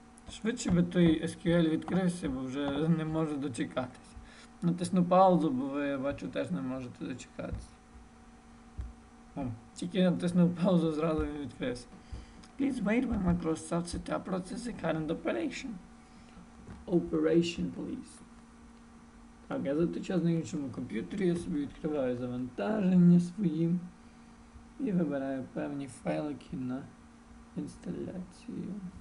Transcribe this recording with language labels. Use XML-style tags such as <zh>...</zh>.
<uk>Швидше би той SQL відкрився, бо вже не можу дочекатися. Натисну паузу, бо ви, я бачу, теж не можете дочекатися. О, тільки натиснув паузу, зразу він відкрився.</uk> <en>Please wait when Microsoft setup process the current operation. Operation, please.</en> <uk>Так, я за той час на іншому комп'ютері, я собі відкриваю завантаження своїм і вибираю певні файлики на інсталяцію.</uk>